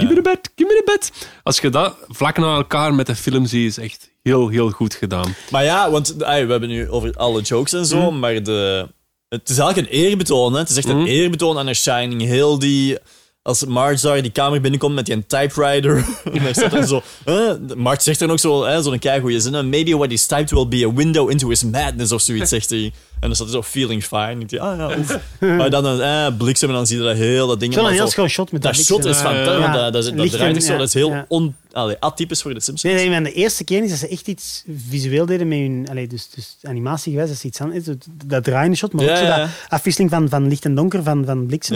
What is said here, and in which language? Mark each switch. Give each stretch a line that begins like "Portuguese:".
Dutch: Give me the bed. Als je dat vlak na elkaar met de film ziet, is echt heel, heel goed gedaan. Maar ja, want we hebben nu over alle jokes en zo, maar het is eigenlijk een eerbetoon. Hè? Het is echt een eerbetoon aan de Shining. Heel die... Als Marge daar die kamer binnenkomt met die typewriter, en daar staat dan zo... Marge zegt dan ook zo'n keigoeie zin.
English: Maybe what he's typed will be a window into his madness of zoiets, zegt hij.
Dutch: En dan staat hij zo feeling fine. Ik denk, maar dan bliksem en dan zie je dat heel dat ding. Zo'n heel schoon shot met dat shot is fantastisch. Ja. Dat draait heel atypisch voor de Simpsons. Nee, maar de eerste keer is dat ze echt iets visueel deden met hun... Dus animatiegewijs, dat is iets anders. Dat draaiende shot, maar ook zo dat afwisseling van licht en donker van bliksem.